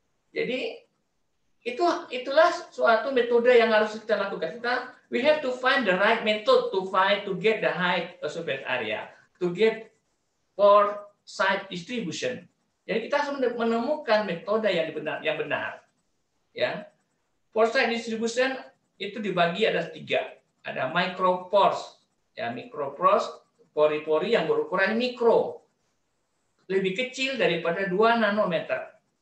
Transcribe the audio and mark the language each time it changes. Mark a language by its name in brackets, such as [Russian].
[Indonesian] Jadi itulah suatu metode yang harus kita lakukan. [English] Kita we have to find the right method to get the high surface area, to get pore size distribution. [Indonesian] Jadi kita harus menemukan metode yang benar. Ya, pore size distribution itu dibagi ada tiga, ada micropores, ya micropores, pori-pori yang berukuran mikro, lebih kecil daripada 2 nanometer.